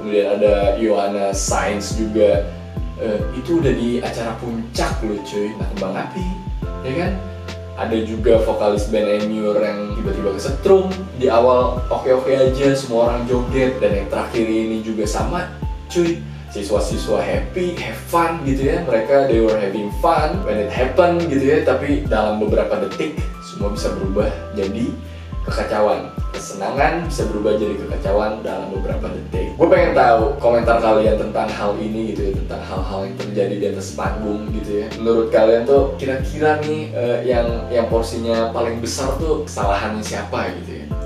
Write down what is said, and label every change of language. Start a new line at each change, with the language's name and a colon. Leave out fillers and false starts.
Indonesian: Kemudian ada Yohana Sainz juga, itu udah di acara puncak lo cuy, nah kembang api, ya kan? Ada juga vokalis band Emure yang tiba-tiba kesetrum di awal, oke-oke aja, semua orang joget. Dan yang terakhir ini juga sama cuy, siswa-siswa happy, have fun gitu ya.
English: Mereka, they were having fun when it happened gitu ya.
Indonesian: Tapi dalam beberapa detik, semua bisa berubah jadi kekacauan. Kesenangan bisa berubah jadi kekacauan dalam beberapa detik. Gue pengen tahu komentar kalian tentang hal ini gitu ya, tentang hal-hal yang terjadi di atas panggung gitu ya. Menurut kalian tuh kira-kira nih yang porsinya paling besar tuh kesalahannya siapa gitu ya?